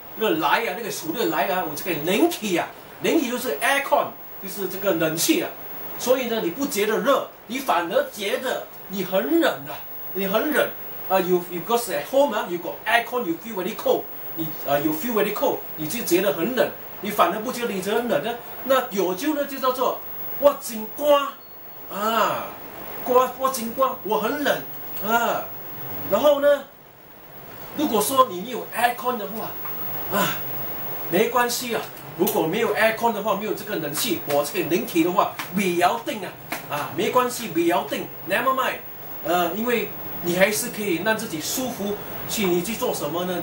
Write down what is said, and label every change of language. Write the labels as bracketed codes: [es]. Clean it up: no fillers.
[zh] 那个暑热来啊，我这个冷气啊，冷气就是 aircon， 就是这个冷气啊，所以呢，你不觉得热，你反而觉得你很冷啊，你很冷啊。 [en] You got at home 啊， you got aircon， you feel very cold， you feel very cold， [zh] 你就觉得很冷，你反而不觉得你很冷呢、啊。那有就呢，就叫做我真寒啊，寒，我真寒，我很冷啊。然后呢，如果说你有 aircon 的话，没关系啊，如果没有 aircon 的话，没有这个冷气，我这个冷气的话比较定啊，没关系，比较定 ， [en] never mind， [zh] 因为你还是可以让自己舒服，去你去做什么呢？